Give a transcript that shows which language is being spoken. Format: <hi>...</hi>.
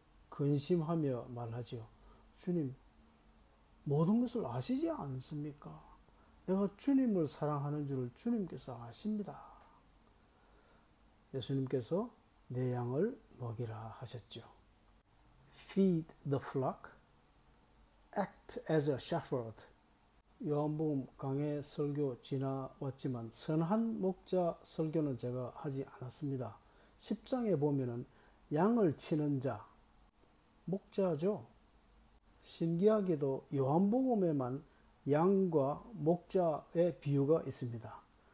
<ko>근심하며 말하지요. 주님, 모든 것을 아시지 않습니까? 내가 주님을 사랑하는 줄을 주님께서 아십니다. 예수님께서 내 양을 먹이라 하셨죠.</ko> <en>Feed the flock, act as a shepherd.</en> <ko>요한복음 강해 설교 지나왔지만 선한 목자 설교는 제가 하지 않았습니다. 10장에 보면은 양을 치는 자, 목자죠. 신기하게도 요한복음에만 양과 목자의 비유가 있습니다.</ko>